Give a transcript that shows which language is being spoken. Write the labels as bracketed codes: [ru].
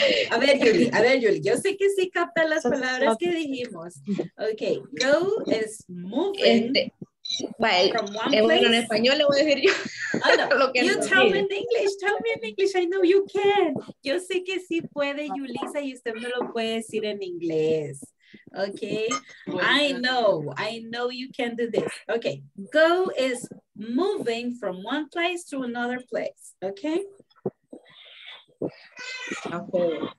[es] A ver, Yuli, yo sé que sí capta las palabras que dijimos. [en] Okay, go is moving from one place. [es] Bueno, en español le voy a decir yo. [en] You tell me in English, tell me in English, I know you can. [es] Yo sé que sí puede, Yulisa, y usted me lo puede decir en inglés. [en] Okay, I know you can do this. Okay, go is moving from one place to another place. Okay. Okay.